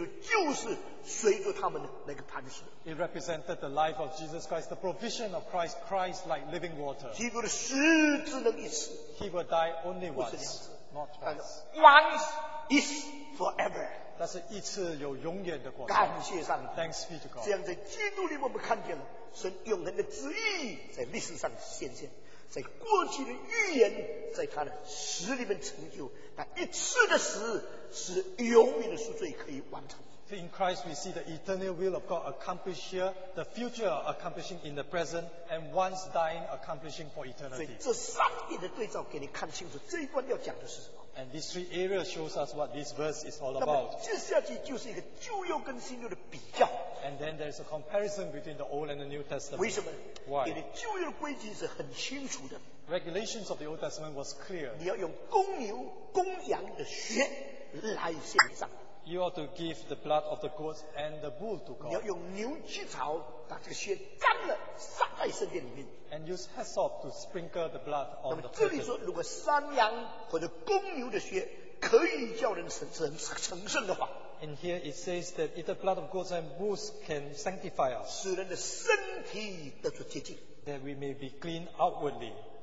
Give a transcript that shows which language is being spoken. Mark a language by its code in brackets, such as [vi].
[zh] 预表那耶稣基督的生命，耶稣基督的供应，耶稣基督就是随着他们的那个磐石。 [en] It represented the life of Jesus Christ, the provision of Christ, Christ like living water. [zh] 基督的死只能一次, [en] he will die only once, [zh] 不是两次, [en] not twice. Once is forever. [zh] 但是一次有永远的果效。感谢上帝, [en] thanks be to God. [zh] 这样在基督里我们看见了神永恒的旨意在历史上显现。在过去的预言在他的死里面成就，那一次的死是永远的赎罪可以完成。 [en] So in Christ we see the eternal will of God accomplished here, the future accomplishing in the present, and once dying accomplishing for eternity. [zh] 所以这三点的对照给你看清楚，这一段要讲的是什么。 [en] And these three areas shows us what this verse is all about. [zh] 那么接下去就是一个旧约跟新约的比较。 [en] And then there is a comparison between the Old and the New Testament. [zh] 为什么? [en] Why? [zh] 因为旧约的规矩是很清楚的。 [en] Regulations of the Old Testament was clear. [zh] 你要用公牛公羊的血来献上。 [en] You ought to give the blood of the goats and the bull to God. [zh] 你要用牛鸡草把这个血沾了，撒在圣殿里面。 [en] And use hyssop to sprinkle the blood on the curtain. [zh] 那么这里说，如果山羊或者公牛的血可以叫人成圣的话。 [en] And here it says that if the blood of goats and bulls can sanctify us, [zh] 使人的身体得出洁净, [en] that we may be clean outwardly.